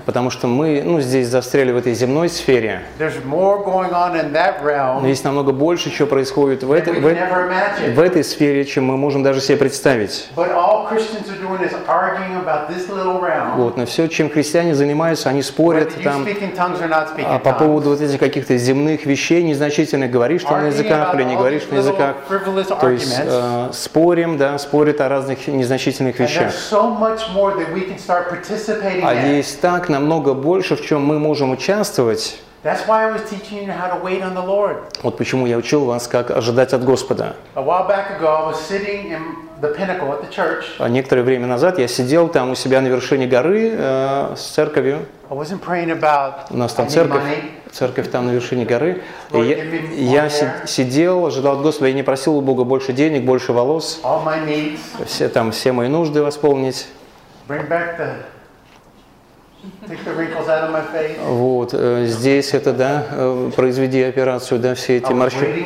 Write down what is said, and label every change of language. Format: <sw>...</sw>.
<ru>Потому что мы здесь застряли в этой земной сфере.</ru> <en>There's more going on in that realm.</en> <ru>Но есть намного больше, что происходит в этой сфере, чем мы можем даже себе представить.</ru> <en>But all Christians are doing is arguing about this little realm.</en> <ru>Вот, но все, чем христиане занимаются, они спорят там по поводу вот этих каких-то земных вещей незначительных, говоришь ты на языках или не говоришь на языках. То есть спорим, да, спорят о разных незначительных вещах.</ru> <en>And there's so much more that we can start participating in.</en> <ru>А есть так намного больше, в чем мы можем участвовать.</ru> <en>That's why I was teaching you how to wait on the Lord.</en> <ru>Вот почему я учил вас, как ожидать от Господа.</ru> <en>A while back ago, I was sitting in the pinnacle at the church.</en> <ru>Некоторое время назад я сидел там у себя на вершине горы с церковью.</ru> <en>I wasn't praying about</en> <ru>money. У нас там церковь там на вершине горы. И я сидел, ожидал от Господа, я не просил у Бога больше денег, больше волос.</ru> <en>All my needs.</en> <ru>Все мои нужды восполнить.</ru> <en>Bring back the, take the wrinkles out of my face.</en> <ru>Вот, здесь произведи операцию, все эти морщинки.</ru>